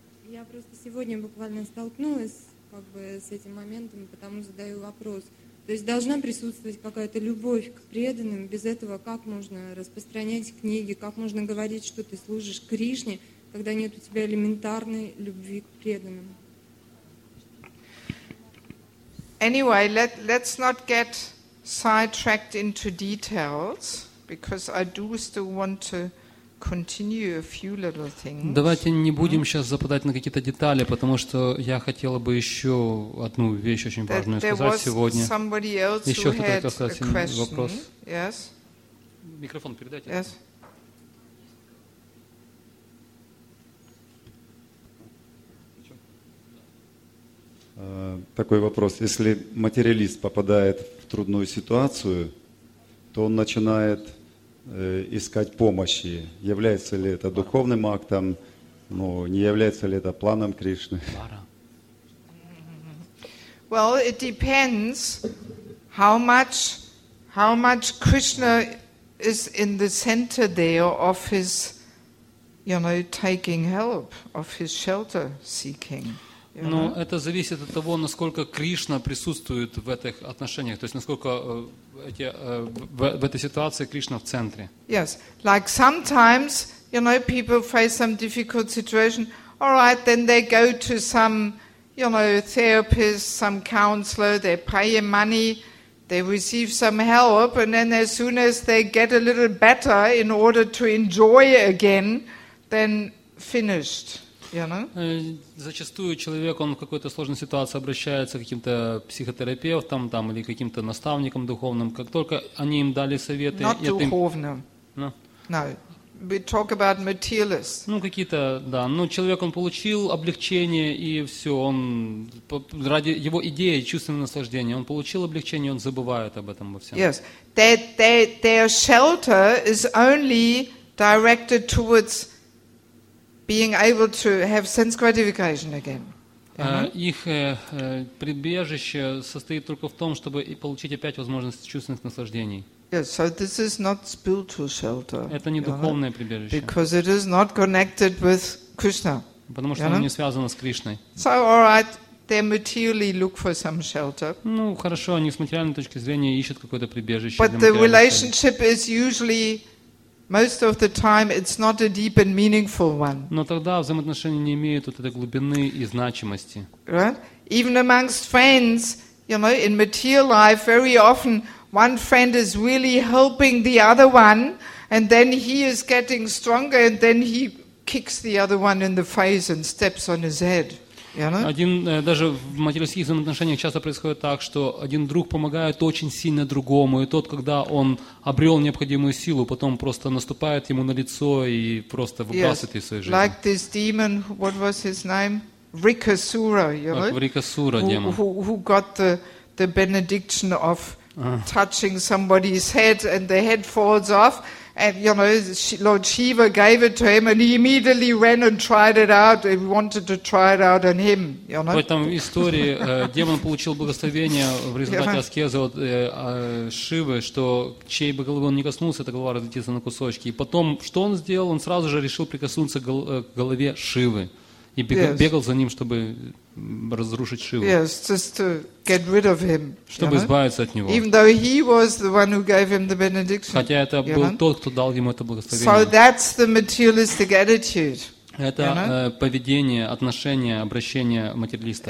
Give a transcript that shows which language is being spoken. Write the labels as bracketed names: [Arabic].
[Russian] Я просто сегодня буквально столкнулась как бы с этим моментом, потому задаю вопрос. То есть должна присутствовать какая-то любовь к преданным, без этого как можно распространять книги, как можно говорить, что ты служишь Кришне, когда нет у тебя элементарной любви к преданным? [English] Anyway, let's not get sidetracked into details. Because I do still want to continue a few little things. [Russian] Давайте не будем сейчас западать на какие-то детали, потому что я хотела бы еще одну вещь очень важную сказать сегодня. [English] There was somebody else who had a question. [Russian] Вопрос. [English] Yes. [Russian] Микрофон передайте. [English] Yes. [Russian] Такой вопрос: если материалист попадает в трудную ситуацию, то он начинает искать помощи, является ли это духовным актом, ну, не является ли это планом Кришны? [English] Well, it depends how much Krishna is in the center there of his, you know, taking help, of his shelter seeking. [Russian] Но это зависит от того, насколько Кришна присутствует в этих отношениях, то есть насколько в этой ситуации Кришна в центре. [English] Yes, like sometimes, you know, people face some difficult situation. All right, then they go to some, you know, therapist, some counselor. They pay money, they receive some help, and then as soon as they get a little better in order to enjoy again, then finished. [Russian] Зачастую человек, он в какой-то сложной ситуации обращается к каким-то психотерапевтам там, или каким-то наставникам духовным, как только они им дали советы. [English] Not духовным. No. We talk about materialists. [Russian] Ну, какие-то, да. Ну, человек, он получил облегчение, и все, он, ради его идеи, чувственного наслаждения, он получил облегчение, он забывает об этом во всем. [English] Yes. Their shelter is only directed towards being able to have sense gratification again. [Russian] Их прибежище состоит только в том, чтобы получить опять возможность чувственных наслаждений. [English] Yes, so this is not spiritual shelter. [Russian] Это не духовное прибежище. [English] Because it is not connected with Krishna. [Russian] Потому что оно не связано с Кришной. [English] So all right, they materially look for some shelter. [Russian] Ну хорошо, они с материальной точки зрения ищут какое-то прибежище. [English] But the relationship is usually, most of the time, it's not a deep and meaningful one. [Russian] Но тогда взаимоотношения не имеют вот этой глубины и значимости. [English] Right? Even amongst friends, you know, in material life, very often one friend is really helping the other one, and then he is getting stronger, and then he kicks the other one in the face and steps on his head. [Russian] Один даже в материальных взаимоотношениях часто происходит так, что один друг помогает очень сильно другому, и тот, когда он обрел необходимую силу, потом просто наступает ему на лицо и просто выбрасывает из своей жизни. [English] Like this demon, what was his name? Врикасура, you know? [Russian] Как Врикасура, демон. [English] Who got the benediction of touching somebody's head and the head falls off. And, you know, Lord Shiva gave it to him and he immediately ran and tried it out. He wanted to try it out on him, you know. [Russian] В этом истории демон получил благословение в результате аскезы от Шивы, что чей бы головы он не коснулся, эта голова разлетится на кусочки. И потом, что он сделал? Он сразу же решил прикоснуться к голове Шивы. И бегал за ним, чтобы разрушить Шиву. [English] Yes, just to get rid of him. [Russian] Чтобы избавиться от него. [English] Even though he was the one who gave him the benediction. [Russian] Хотя это был тот, кто дал ему это благословение. [English] So that's the materialistic attitude. [Russian] Это поведение, отношение, обращение материалиста.